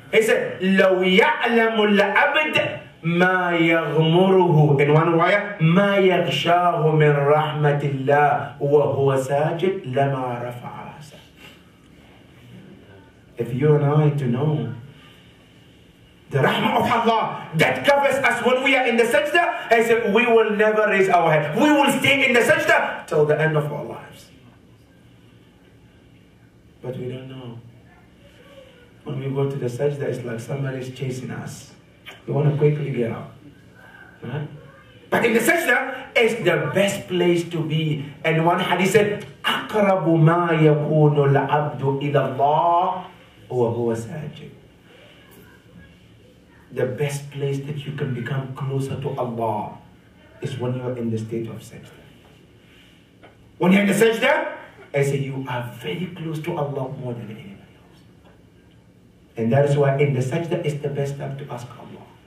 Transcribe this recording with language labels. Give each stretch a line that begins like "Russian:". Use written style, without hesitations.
English: He said,
Arabic: لو يعلم العبد ما يغمره.
English: In one way,
Arabic: ما يغشاه من رحمة الله وهو ساجد لما رفع رأسه.
English: If you and I to know the rahmah of Allah that covers us when we are in the sajda, I said, we will never raise our head. We will stay in the sajda till the end of our lives. But we don't know. When we go to the sajda, it's like somebody's chasing us. We want to quickly get out. Huh? But in the sajda, it's the best place to be. And one hadith said,
Arabic: أَقْرَبُ مَا يَكُونُ الْعَبْدُ إِلَى اللَّهِ وَهُوَ سَاجِدٌ.
English: The best place that you can become closer to Allah is when you're in the state of sajda. When you're in the sajda, I say you are very close to Allah more than anybody else. And that is why in the sajda is the best time to ask Allah.